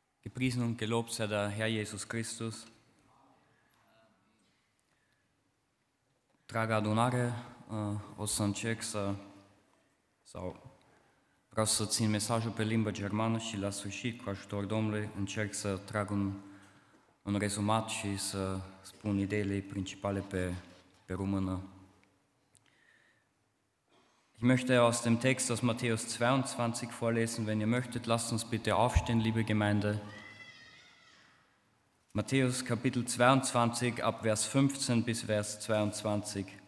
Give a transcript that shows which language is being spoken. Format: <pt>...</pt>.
<de>Priesen und gelobt sei der Herr Jesus Christus.</de> <ro>Draga adunare, o să încerc sau vreau să țin mesajul pe limba germană și la sfârșit, cu ajutor Domnului, încerc să trag un rezumat și să spun ideile principale pe română.</ro> <de>Ich möchte aus dem Text aus Matthäus 22 vorlesen, wenn ihr möchtet, lasst uns bitte aufstehen, liebe Gemeinde. Matthäus Kapitel 22, ab Vers 15 bis Vers 22.</de>